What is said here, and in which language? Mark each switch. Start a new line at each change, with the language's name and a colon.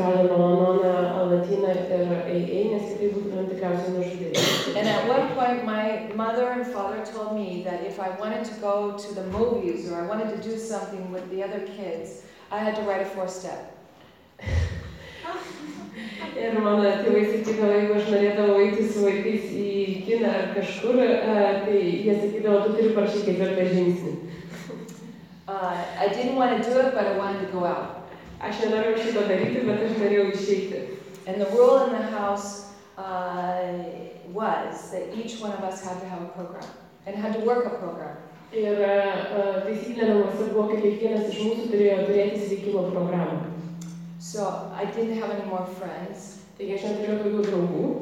Lithuanian: AA, nes tikrai būtumėm tikriausiai nužudyti.
English: And at one point my mother and father told me that if I wanted to go to the movies or I wanted to do something with the other kids, I had to write a four-step.
Lithuanian: Ir mano tėvai sakydavo, jeigu aš norėdavau eiti su vaikais į kiną ar kažkur, tai jie sakydavo, tu turi parašyti ketvirtą žingsnį.
English: I didn't want to do it, but I wanted to go out.
Lithuanian: Aš nenorėjau šito daryti, bet aš norėjau išeiti.
English: And the rule in the house was that each one of us had to have a program and had to work a program.
Lithuanian: Ir taisyklė namuose buvo, kad kiekvienas iš mūsų turėjo turėti įsveikimo programą.
English: So I didn't have any more friends.
Lithuanian: Taigi aš neturėjau daugiau draugų.